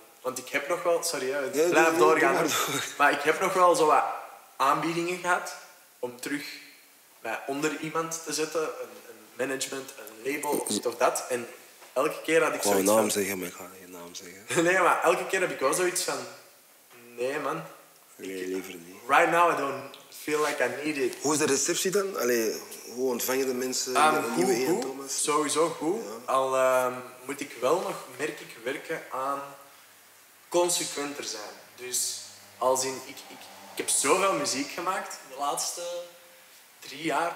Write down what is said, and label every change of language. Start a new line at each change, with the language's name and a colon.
Dutch: Want ik heb nog wel, sorry, het blijft doorgaan, maar ik heb nog wel zo wat aanbiedingen gehad om terug mij onder iemand te zetten, een management, een label, of dit of dat, en elke keer had ik zoiets van... Nee, maar elke keer heb ik wel zoiets van... Nee, man. Nee, liever niet.
English: Right now, I don't feel like I need it.
Dutch: Hoe is de receptie dan? Allee, hoe ontvangen de mensen de nieuwe heer Thomas? Sowieso goed. Ja. Al moet ik wel nog, merk ik, werken aan consequenter zijn. Dus als in... Ik heb zoveel muziek gemaakt in de laatste 3 jaar.